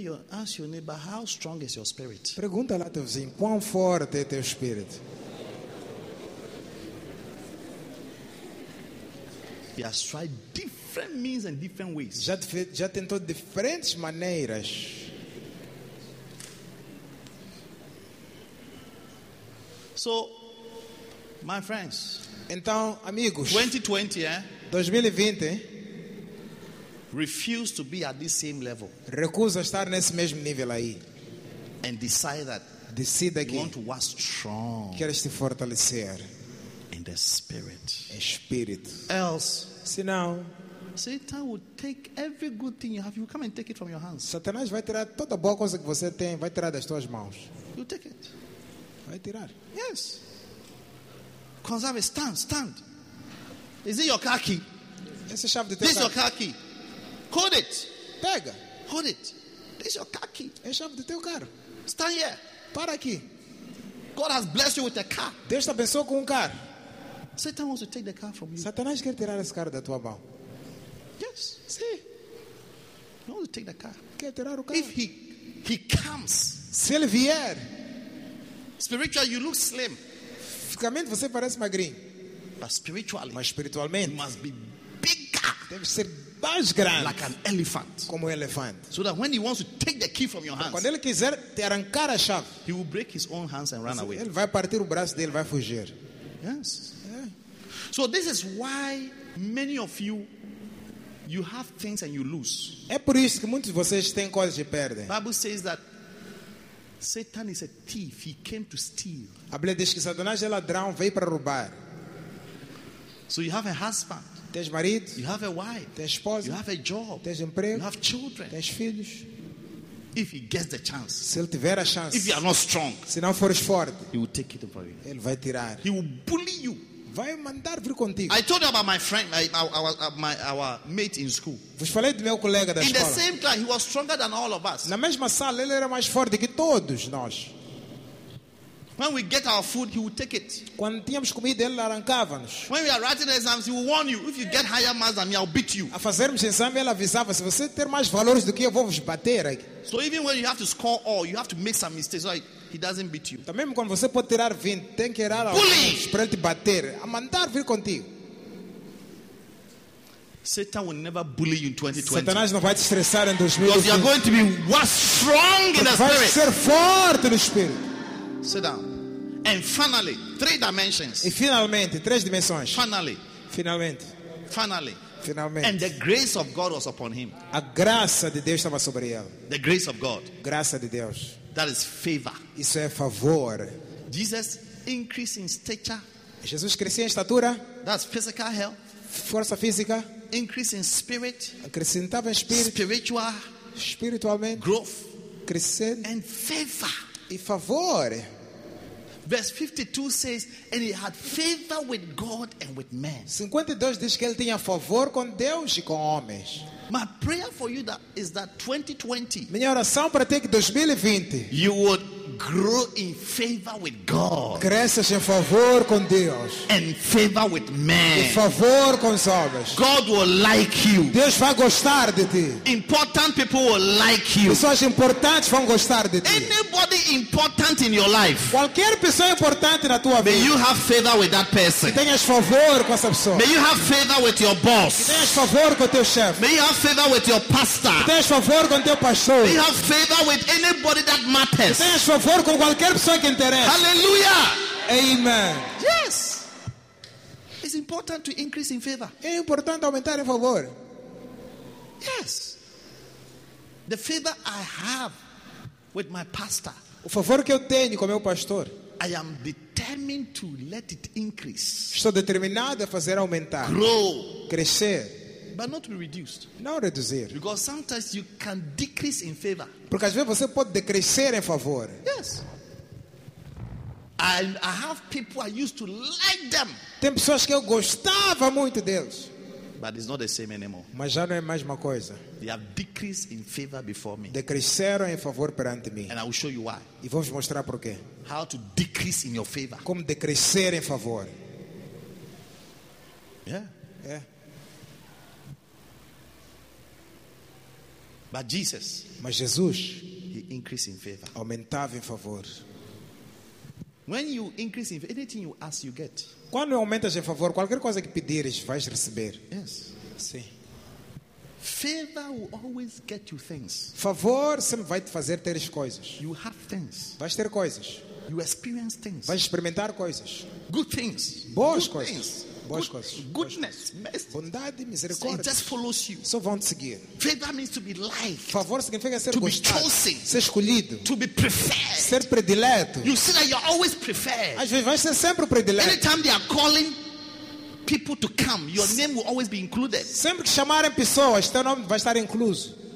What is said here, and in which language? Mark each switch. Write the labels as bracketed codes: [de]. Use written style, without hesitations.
[en] Ask your neighbor, how strong is your spirit? [pt] Pergunta lá teu vizinho, quão forte é teu espírito? [en] He has tried different means and different ways. [pt] Já tentou diferentes maneiras. [en] So, my friends. [pt] Então, amigos. [en] 2020, eh? [pt] 2020. [en] Refuse to be at this same level. [pt] Recusa estar nesse mesmo nível aí. [en] And decide that. [pt] Decida que. [en] Want to work strong. [pt] Queres te fortalecer. [en] in the spirit. [pt] Espírito. [en] Else, see now, Satan will take every good thing you have. You come and take it from your hands. [pt] Satanás vai tirar toda a boa coisa que você tem, vai tirar das tuas mãos. [en] You take it. [pt] Vai tirar. [en] Yes. Conserve it. Stand, stand. Is it your car key? [pt] Essa chave de teu carro. [en] This your car key. Hold it. [pt] Pega. [en] Hold it. This your car key. [pt] É a chave do teu carro. [en] Stand here. [pt] Para aqui. [en] God has blessed you with a car. [pt] Deus te abençoou com carro. [en] Satan wants to take the car from you. [pt] Satanás quer tirar esse carro da tua mão. [en] Yes. [pt] Sim. [en] He wants to take the car. [pt] Quer tirar o carro. [en] If he comes. [pt] Se ele vier. [en] Spiritually, you look slim. [pt] Fisicamente você parece magrinho. [en] But spiritually. [pt] Mas espiritualmente. [en] You must be bigger. [pt] Deve ser mais grande. [en] Like an elephant. [pt] Como um elefante. [en] So that when he wants to take the key from your hands. [pt] Quando ele quiser te arrancar a chave. [en] He will break his own hands and run away. [pt] Ele vai partir o braço dele, vai fugir. [en] Yes. Yeah. So this is why many of you. You have things and you lose. [pt] É por isso que muitos de vocês têm coisas e perdem. [en] Bible says that Satan is a thief. He came to steal. [pt] A Bíblia diz que Satanás é ladrão, veio para roubar. [en] So you have a husband. [pt] Tens marido. [en] You have a wife. [pt] Tens esposa. [en] You have a job. [pt] Tens emprego. [en] You have children. [pt] Tens filhos. [en] If he gets the chance. [pt] Se ele tiver a chance. [en] If you are not strong. [pt] Se não fores forte. [en] He will take it from you. [pt] Ele vai tirar. [en] He will bully you. [pt] Vai mandar vir contigo. [en] I told you about my friend, our mate in school. [pt] Vos falei do meu colega da [en] in [pt] escola. [en] In the same class, he was stronger than all of us. [pt] Na mesma sala, ele era mais forte que todos nós. [en] When we get our food, he would take it. [pt] Quando tínhamos comida, ele arrancava-nos. [en] When we are writing exams, he will warn you. If you get higher marks than me, I'll beat you. [pt] A fazermos exame, ele avisava: se você ter mais valores do que eu, vou vos bater. [en] So even when you have to score all, you have to make some mistakes. Like, he doesn't beat you. [pt] Também quando você pode tirar 20, tem que errar alguns para ele te bater, a mandar vir contigo. [en] Satan will never bully you in 2020. [pt] Satanás não vai te estressar em 2020. [en] Because you are going to be what strong in the spirit. [pt] Vai ser forte no espírito. [en] Sit down. And finally, three dimensions. [pt] E finalmente, três dimensões. [en] Finally. [pt] Finalmente. [en] Finally. [pt] Finalmente. [en] And the grace of God was upon him. [pt] A graça de Deus estava sobre ele. [en] The grace of God. [pt] Graça de Deus. [en] That is favor. [pt] Isso é favor. [en] Jesus increased in stature. [pt] Jesus crescia em estatura. [en] That's physical health. [pt] Força física. [en] Increase in spirit. [pt] Acrescentava em espírito. [en] Spiritual. [pt] Espiritualmente. [en] Growth. [pt] Crescer. [en] And favor. [pt] E favor. [en] Verse 52 says, and he had favor with God and with men. [pt] 52 diz que ele tinha favor com Deus e com homens. [en] My prayer for you that is that 2020. [pt] Minha oração para ti que 2020. [en] You would grow in favor with God. [pt] Cresças em favor com Deus. [en] And favor with men. [pt] E favor com os homens. [en] God will like you. [pt] Deus vai gostar de ti. [en] Important people will like you. [pt] Pessoas importantes vão gostar de ti. [en] Anybody important in your life. [pt] Qualquer pessoa importante na tua vida. [en] May you have favor with that person. [pt] Que tenhas favor com essa pessoa. [en] May you have favor with your boss. [pt] Que tenhas favor com teu chefe. [en] May you have favor with your pastor. [pt] Que tenhas favor com teu pastor. [en] May you have favor with anybody that matters. [pt] Que tenhas favor com qualquer pessoa que interessa. [en] Hallelujah. Amen. Yes. It's important to increase in favor. [pt] É importante aumentar em favor. [en] Yes. The favor I have with my pastor. [pt] O favor que eu tenho com meu pastor. [en] I am determined to let it increase. [pt] Estou determinado a fazer aumentar. [en] Grow. [pt] Crescer. [en] But not to be reduced. [pt] Não reduzir. [en] Because sometimes you can decrease in favor. [pt] Porque às vezes você pode decrescer em favor. [en] Yes. I have people I used to like them. [pt] Tem pessoas que eu gostava muito deles. [en] But it's not the same anymore. [pt] Mas já não é mais uma coisa. [en] They have decreased in favor before me. [pt] Decresceram em favor perante mim. [en] And I will show you why. [pt] E vou vos mostrar por quê. [en] How to decrease in your favor. [pt] Como decrescer em favor. [en] Yeah. Yeah. But Jesus, [pt] mas Jesus, [en] he increased in favor. [pt] Aumentava em favor. [en] When you increase in favor, anything you ask, you get. [pt] Quando aumentas em favor, qualquer coisa que pedires, vais receber. [en] Yes. [pt] Sim. [en] Favor will always get you things. [pt] Favor sempre vai te fazer ter as coisas. [en] You have things. [pt] Vais ter coisas. [en] You experience things. [pt] Vais experimentar coisas. [en] Good things. [pt] Boas [en] good [pt] coisas. [en] Things. [pt] boas coisas. [en] Goodness, [pt] mercy. Bondade, misericórdia. [en] So it just follows you. [pt] Só vão te seguir. [en] Favor means to be liked. [pt] Favor significa ser [en] to [pt] gostado. [en] Be chosen. [pt] Ser escolhido. [en] To be preferred. [pt] Ser predileto. [en] You see that you're always preferred. [pt] Às vezes vai ser sempre o predileto. [en] Anytime they are calling people to come, your name will always be included. [pt] Sempre que chamarem pessoas, teu nome vai estar incluso.